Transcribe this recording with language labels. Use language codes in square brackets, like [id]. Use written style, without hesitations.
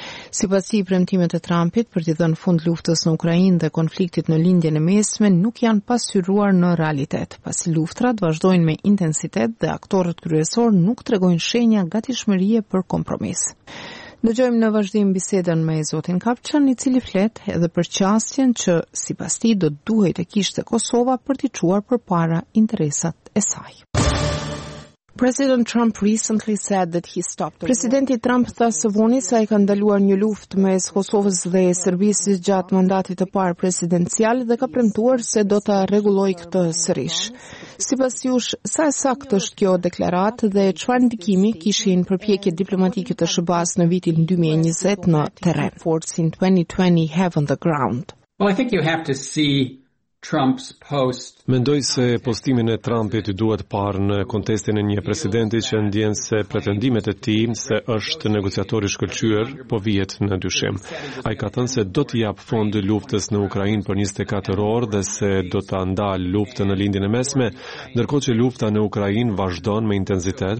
[sq] Sipas si premtimet e Trumpit për të dhënë fund luftës në Ukrainë dhe konfliktit në Lindjen e Mesme nuk janë pasqyruar në realitet, pasi luftrat vazhdojnë me intensitet dhe aktorët kryesor nuk tregojnë shenja gatishmërie për kompromis. Dëgjojmë në vazhdim bisedën me zotin Kapçan, i cili flet edhe për qasjen që sipas tij do duhet të kishte Kosova për t'i çuar përpara interesat e saj. [en] President Trump recently said that he stopped the war. [sq] Presidenti Trump tha së vuni se ai ka ndaluar një luftë mes Kosovës dhe Serbisë gjatë mandatit të parë presidencial dhe ka premtuar se do ta rregulloj këtë sërish. Sipas jush, sa e saktë është kjo deklaratë dhe çfarë ndikimi kishin përpjekjet diplomatike të SBA-s në vitin 2020 në terren? [en] Forces in 2020 have on the ground. Well, I think you have to see Trump's post. [sq] Mendoj se postimin e Trumpit duhet parë në kontestin e një presidenti që ndjen se pretendimet e tij se është negociator i shkëlqyer po vihet në dyshim. Ai ka thënë se do të jap fond luftës në Ukrainë për 24 orë dhe se do ta ndal luftën në Lindjen e Mesme, ndërkohë që lufta në Ukrainë vazhdon me intensitet.